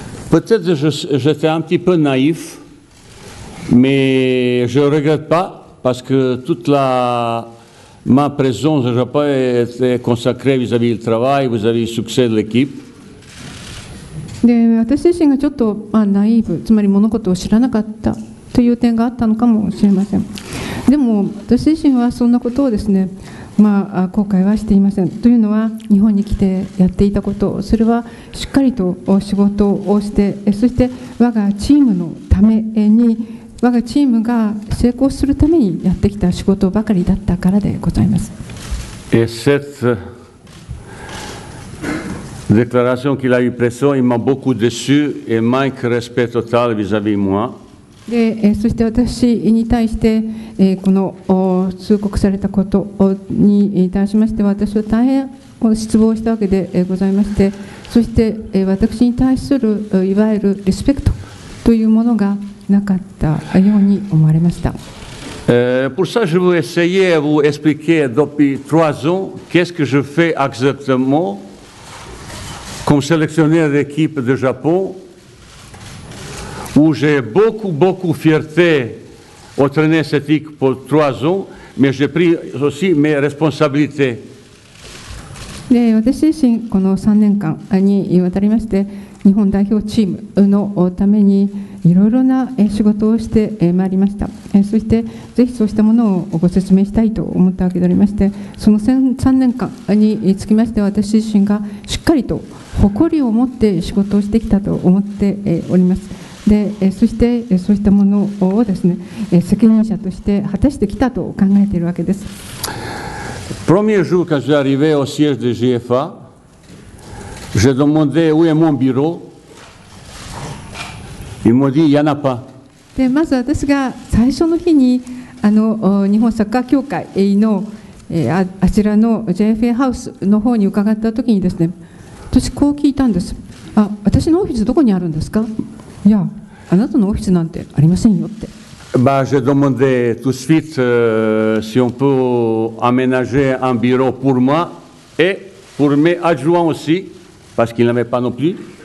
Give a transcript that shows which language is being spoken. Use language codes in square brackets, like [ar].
[fr] Peut-être que j'étais un petit peu naïf mais je regrette pasParce que toute ma présence au Japon est consacrée vis-à-vis le travail, vis-à-vis le succès de l'équipe. [ja] で、私自身がちょっと、まあ、ナイーブ、つまり物事を知らなかったという点があったのかもしれません。でも私自身はそんなことをですね、まあ、後悔はしていません。というのは日本に来てやっていたこと、それはしっかりと仕事をして、そして我がチームのために我がチームが成功するためにやってきた仕事ばかりだったからでございます。 [fr] Et cette déclaration qu'il a eu pressée, il m'a beaucoup déçu et manque respect total vis-à-vis moi. [ja] で、そして私に対してこの通告されたことに対しましては、私は大変失望したわけでございまして、そして私に対するいわゆるリスペクトというものがなかったように思われました。 [fr] Pour ça, je vais essayer de vous expliquer depuis trois ans qu'est-ce que je fais exactement comme sélectionneur d'équipe de Japon, où j'ai beaucoup, beaucoup fierté d'entraîner cette équipe pour trois ans, mais j'ai pris aussi mes responsabilités. [ja] で、私自身この3年間にわたりまして、日本代表チームのためにいろいろな仕事をしてまいりました。そしてぜひそうしたものをご説明したいと思ったわけでありまして、その3年間につきましては私自身がしっかりと誇りを持って仕事をしてきたと思っております。で、そしてそうしたものをですね、責任者として果たしてきたと考えているわけです。 [fr] Premier jour quand j'ai arrivé au siège de GFA, j'ai demandé où est mon bureau. Ils m'ont dit, il n'y en a pas. [ja] で、まず私が最初の日に日本サッカー協会の、あちらの JFA ハウスの方に伺ったときにですね、私こう聞いたんです。あ、私のオフィスどこにあるんですか？いや、あなたのオフィスなんてありませんよって。 [fr] Bah, j'ai demandé tout de suite si on peut aménager un bureau pour moi et pour mes adjoints aussi, parce qu'ils n'avaient pas non plus.